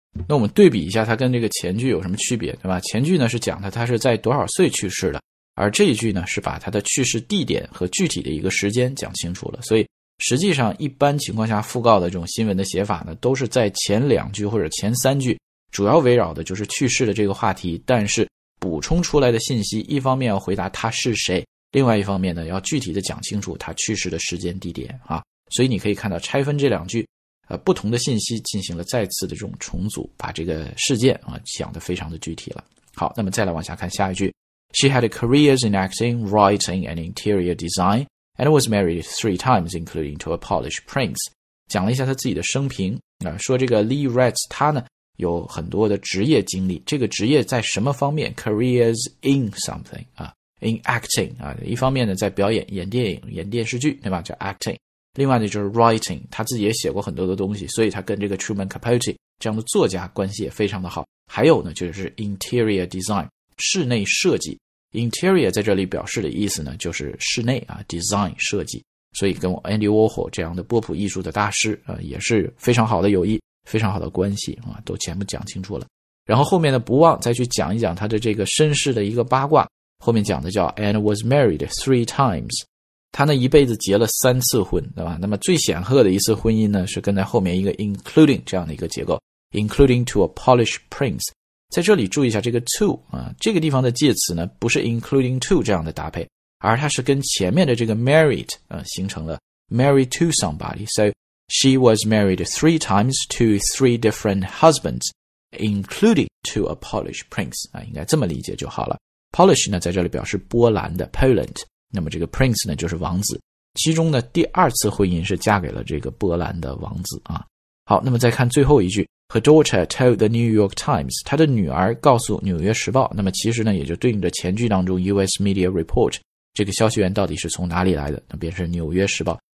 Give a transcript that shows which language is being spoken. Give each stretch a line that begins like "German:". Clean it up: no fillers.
Chinese: 那我们对比一下他跟这个前句有什么区别，对吧？前句呢是讲他是在多少岁去世的，而这一句呢是把他的去世地点和具体的一个时间讲清楚了。所以实际上一般情况下讣告的这种新闻的写法呢，都是在前两句或者前三句主要围绕的就是去世的这个话题，但是补充出来的信息一方面要回答他是谁，另外一方面呢要具体的讲清楚他去世的时间地点啊。所以你可以看到拆分这两句不同的信息进行了再次的这种重组，把这个事件啊讲得非常的具体了。好，那么再来往下看下一句。
English: She had careers in acting, writing and interior design and was married three times including to a Polish prince.
Chinese: 讲了一下他自己的生平啊，说这个 Lee Ratz 他呢有很多的职业经历，这个职业在什么方面 ？
English: Careers in something
Chinese: 啊 ，in acting 啊，一方面呢在表演，演电影、演电视剧，对吧？叫 acting。另外呢就是 writing， 他自己也写过很多的东西，所以他跟这个 Truman Capote 这样的作家关系也非常的好。还有呢就是 interior design， 室内设计。 interior 在这里表示的意思呢就是室内啊 ，design 设计。所以跟 Andy Warhol 这样的波普艺术的大师啊也是非常好的友谊。非常好的关系啊，都全部讲清楚了。然后后面呢不忘再去讲一讲他的这个身世的一个八卦，后面讲的叫
English: and was married three times，
Chinese: 他呢一辈子结了三次婚，对吧？那么最显赫的一次婚姻呢是跟在后面一个 including 这样的一个结构，
English: including to a Polish prince。
Chinese: 在这里注意一下这个 to 啊，这个地方的介词呢不是 including to 这样的搭配，而它是跟前面的这个 married 形成了
English: married to somebody. So she was married 3 times to 3 different husbands, including to a Polish prince.
Chinese: 应该这么理解就好了。 Polish 呢在这里表示波兰的 Poland, 那么这个 prince 呢就是王子。其中呢第二次婚姻是嫁给了这个波兰的王子啊。好，那么再看最后一句，
English: Her daughter told the New York Times,
Chinese: 她的女儿告诉纽约时报，那么其实呢也就对应着前句当中 US Media Report, 这个消息源到底是从哪里来的，那便是纽约时报。